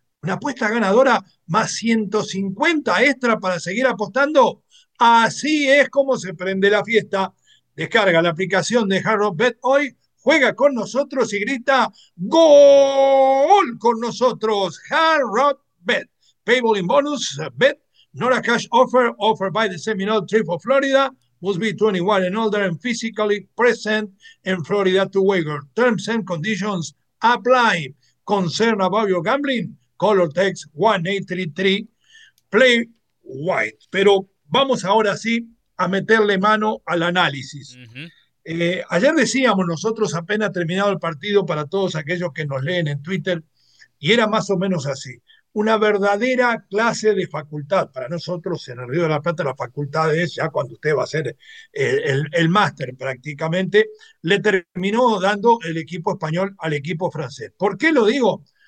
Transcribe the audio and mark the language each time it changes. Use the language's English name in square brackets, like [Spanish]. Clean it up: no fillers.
[Spanish] Una apuesta ganadora más 150 extra para seguir apostando. Así es como se prende la fiesta. Descarga la aplicación de Hard Rock Bet hoy. Juega con nosotros y grita ¡gol con nosotros! Hard Rock Bet. [English] Payable in bonus, bet, not a cash offer, offered by the Seminole Tribe of Florida, must be 21 and older and physically present in Florida to wager. Terms and conditions apply. Concern about your gambling? Call or text 1-833-PLAY-WISE. [Spanish] Pero vamos ahora sí a meterle mano al análisis. Uh-huh. Ayer decíamos nosotros, apenas terminado el partido, para todos aquellos que nos leen en Twitter, y era más o menos así. Una verdadera clase de facultad. Para nosotros en el Río de la Plata, la facultad es ya cuando usted va a hacer el máster prácticamente, le terminó dando el equipo español al equipo francés. ¿Por qué lo digo?